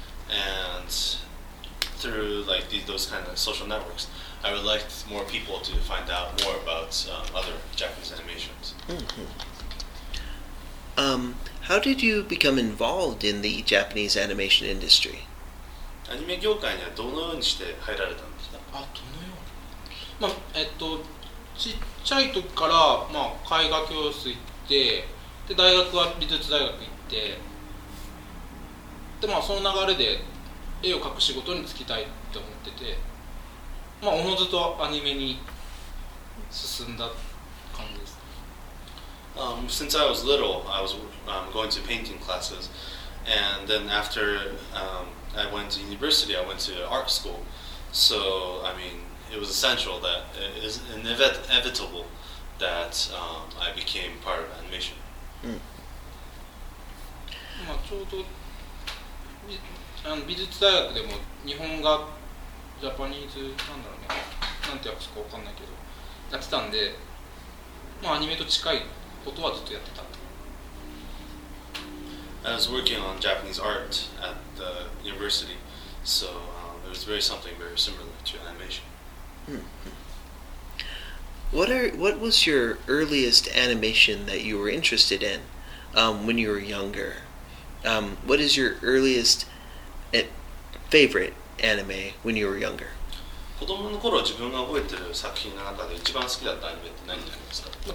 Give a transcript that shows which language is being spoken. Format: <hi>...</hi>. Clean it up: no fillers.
<en>And through like those kind of social networks, I would like more people to find out more about other Japanese animations. Mm-hmm. How did you become involved in the Japanese animation industry?</en> <ja>アニメ業界にはどのようにして入られたんですか？あ、どのように？まあ、ちっちゃい時から、まあ、絵画教室行って、で、大学は美術大学行って、で、まあ、その流れで絵を描く仕事に就きたいって思ってて、まあ、おのずとアニメに進んだ感じです。</ja> <en>Since I was little, I was going to painting classes, and then after I went to university, I went to art school. So I mean, it was essential that it is inevitable that I became part of animation.</en> <ja>まあちょうど美術大学でも日本画、ジャパニーズなんだろうね、なんて訳すかわかんないけどやってたんで、まあアニメと近い。</ja> <en>I was working on Japanese art at the university, so it was very something very similar to animation. What was your earliest animation that you were interested in when you were younger? What is your earliest favorite anime when you were younger?</en> <ja>子供の頃自分が覚えてる作品の中で一番好きだったアニメって何になりますか？</ja>